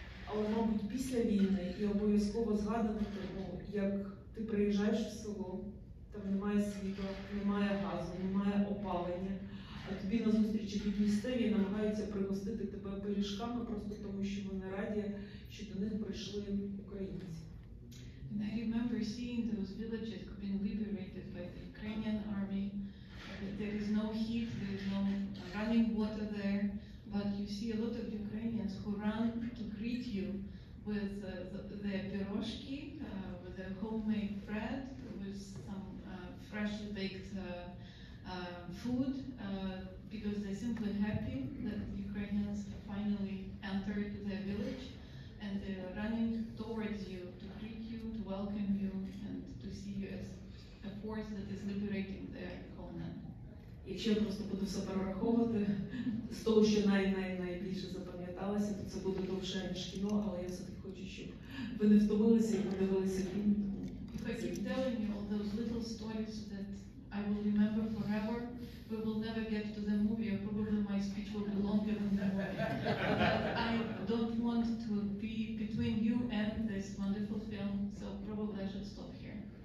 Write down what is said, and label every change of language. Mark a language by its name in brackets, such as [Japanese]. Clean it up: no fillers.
[Ukrainian] Але, мабуть, після війни і обов'язково згадано тому, як ти приїжджаєш в село, там немає світла, немає газу, немає опалення, а тобі на зустріч якісь місцеві намагаються пригостити тебе пиріжками просто тому, що вони раді, що до них прийшли українці. [English] And I remember seeing those villages being liberated by the Ukrainian army. There is no heat, there is no running water there. But you see a lot of Ukrainians who run to greet you with their pirozhki, with their homemade bread, with some freshly baked food, because they're simply happy that Ukrainians have finally entered their village, and they're running towards you to greet you, to welcome you, and to see you as a force that is liberating their homeland. [Ukrainian] Якщо я просто буду все перераховувати, з того, що найбільше запам'яталося, то це буде довше, ніж кіно, але я все-таки хочу, щоб ви не втомилися і подивилися фільм. [English] If I keep telling you all those little stories that I will remember forever, we will never get to the movie, or probably my speech will be longer than the movie. But I don't want to be between you and this wonderful film, so probably I should stop here.